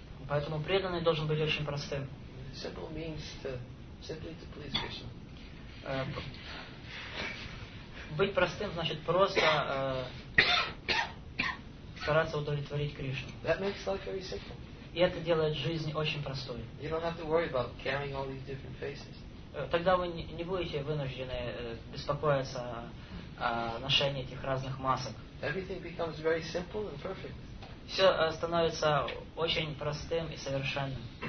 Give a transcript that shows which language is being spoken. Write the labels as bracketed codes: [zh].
[ru] Поэтому преданный должен быть очень простым. [en] Simple means to simply to please Krishna. [ru] Быть простым значит просто стараться удовлетворить Кришну. [en] That makes life very simple. [ru] И это делает жизнь очень простой. [en] You don't have to worry about carrying all these different faces. [ru] Тогда вы не будете вынуждены беспокоиться о ношении этих разных масок. [en] Everything becomes very simple and perfect. [ru] Все становится очень простым и совершенным.